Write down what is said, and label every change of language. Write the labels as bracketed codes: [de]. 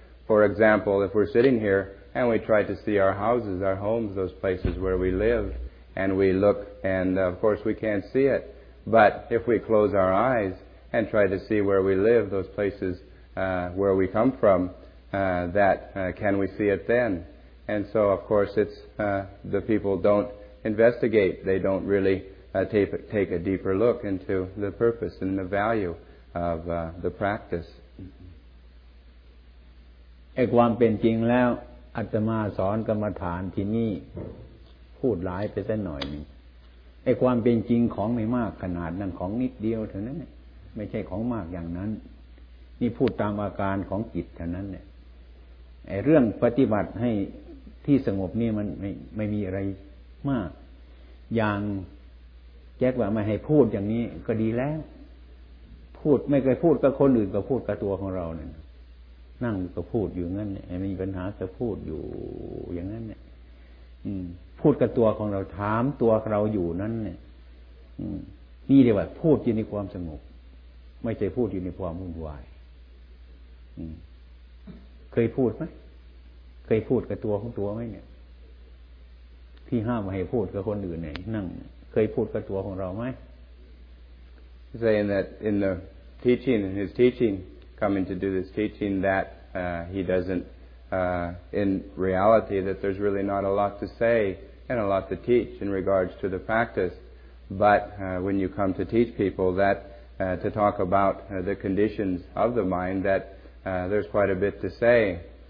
[en] For example, if we're sitting here and we try to see our houses, our homes, those places where we live, and we look, and of course we can't see it, but if we close our eyes and try to see where we live, those places where we come from, can we see it then? And so, of course, it's the people don't investigate. They don't really take a deeper look into the purpose and the value of the practice. [th] ไอ้ความเป็นจริงแล้วอาตมาสอนกรรมฐานที่นี่พูดหลายไปสักหน่อยนึงไอ้ความเป็นจริงของไม่มากขนาดนั้นของนิดเดียวเท่านั้นไม่ใช่ของมากอย่างนั้นนี่พูดตามอาการของจิตเท่านั้น ไอ้เรื่องปฏิบัติให้ที่สงบนี่มันไม่มีอะไรมากอย่างแก๊กว่าไม่ให้พูดอย่างนี้ก็ดีแล้วพูดไม่เคยพูดกับคนอื่นก็พูดกับตัวของเราเนี่ยนั่งก็พูดอยู่งั้นเนี่ยมีปัญหาจะพูดอยู่อย่างนั้นเนี่ยพูดกับตัวของเราถามตัวเราอยู่นั้นเนี่ย นี่เรียกว่าพูดอยู่ในความสงบไม่ใช่พูดอยู่ในความวุ่นวายเคยพูดไหมเคยพูดกับตัวของตัวไหมเนี่ยที่ห้ามให้พูดกับคนอื่นไหนนั่งเคยพูดกับตัวของเราไหม [en] Saying that in the teaching, in his teaching, coming to do this teaching, that he doesn't, in reality, that there's really not a lot to say and a lot to teach in regards to the practice. But when you come to teach people that, to talk about the conditions of the mind, that there's quite a bit to say.